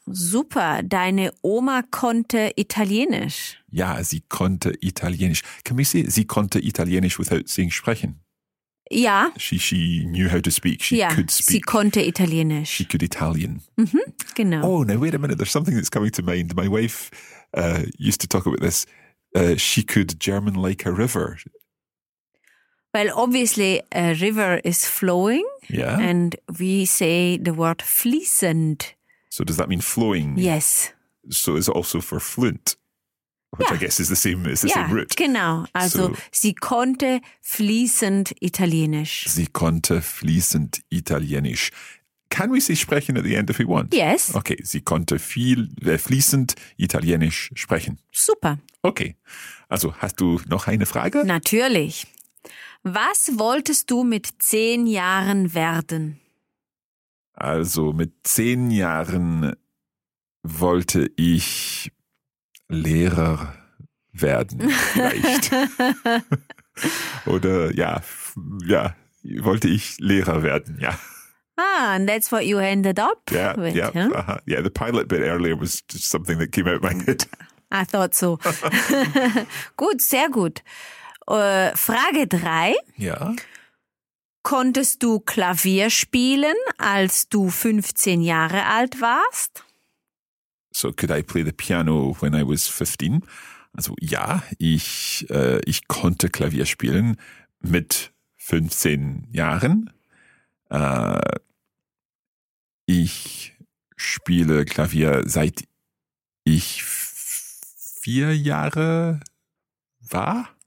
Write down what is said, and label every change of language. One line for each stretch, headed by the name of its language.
German: Super, deine Oma konnte Italienisch. Ja, sie konnte Italienisch.
English: Can we say,
German: sie konnte Italienisch
English: without saying
German: sprechen? Ja.
English: She knew how to speak. Could speak.
German: Sie konnte Italienisch.
English: She could Italian.
German: Mhm, genau.
English: Oh, now wait a minute. There's something that's coming to mind. My wife used to talk about this. she could German like a river. Well, obviously, a river is flowing. Yeah. And we say the word fließend. So does that mean flowing? Yes. So is it also for fluent? Which yeah. I guess is the same, is the yeah, same root.
German: Genau. Also, so, sie konnte fließend Italienisch. Sie konnte fließend Italienisch.
English: Can we say sprechen at the end if we want? Yes. Okay.
German: Sie konnte fließend Italienisch sprechen. Super. Okay. Also, hast du noch eine Frage? Natürlich. Was wolltest du mit 10 Jahren werden? Also, mit 10 Jahren wollte ich Lehrer werden, vielleicht. Oder, ja, wollte ich Lehrer werden, ja.
English: Ah, and that's what you ended up with, yeah? Huh? Uh-huh. Yeah, the pilot bit earlier was just something that came out of my head. I thought so.
German: Gut, sehr gut. Frage 3. Ja. Konntest du Klavier spielen, als du 15 Jahre alt warst?
English: So, could I play the piano when I was 15?
German: Also, ja, ich konnte Klavier spielen mit 15 Jahren. Ich spiele Klavier seit ich 4 Jahre war.